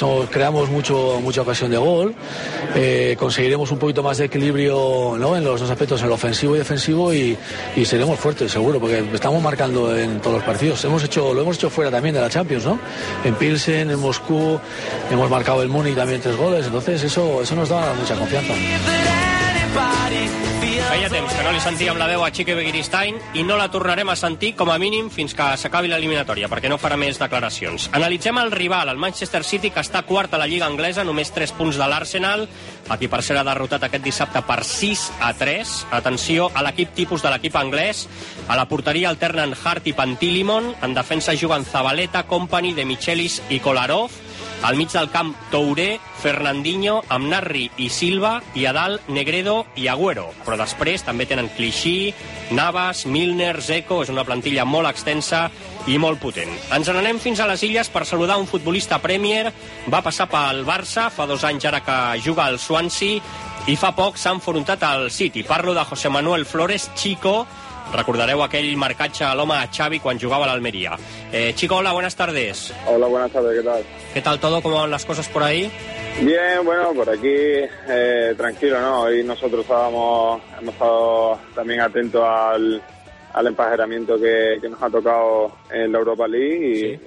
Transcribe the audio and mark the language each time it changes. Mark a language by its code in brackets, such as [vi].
[es] Creamos mucha ocasión de gol, conseguiremos un poquito más de equilibrio, ¿no? En los dos aspectos, en el ofensivo y defensivo, y seremos fuertes, seguro, porque estamos marcando en todos los partidos. Lo hemos hecho fuera también de la Champions, ¿no? En Pilsen, en Moscú, hemos marcado el Múnich también 3 goles, entonces eso nos da mucha confianza. [ca] Feia temps que no li sentíem la veu a Chique Begiristain i no la tornarem a sentir com a mínim fins que s'acabi l'eliminatòria, perquè no farà més declaracions. Analitzem el rival, el Manchester City, que està quart a la Lliga Anglesa, només 3 punts de l'Arsenal, a qui per cert ha derrotat aquest dissabte per 6-3. Atenció a l'equip tipus de l'equip anglès. A la porteria alternen Hart i Pantilimon. En defensa juguen Zabaleta, Company, De Michelis i Kolarov. Al mig del camp, Touré, Fernandinho, Amnarri i Silva, i a dalt, Negredo i Agüero. Però després també tenen Clichy, Navas, Milner, Zeko. És una plantilla molt extensa i molt potent. Ens n'anem fins a les Illes per saludar un futbolista Premier. Va passar pel Barça, fa 2 anys ara que juga al Swansea, i fa poc s'ha enfrontat al City. Parlo de José Manuel Flores, Chico. Recordareu aquell marcatge a l'home a Xavi quan jugava a l'Almeria. [es] Chico, hola, buenas tardes. Hola, buenas tardes, ¿qué tal? ¿Qué tal todo? ¿Cómo van las cosas por ahí? Bien, bueno, por aquí tranquilo, ¿no? Hoy nosotros hemos estado también atentos al empajeramiento que nos ha tocado en la Europa League.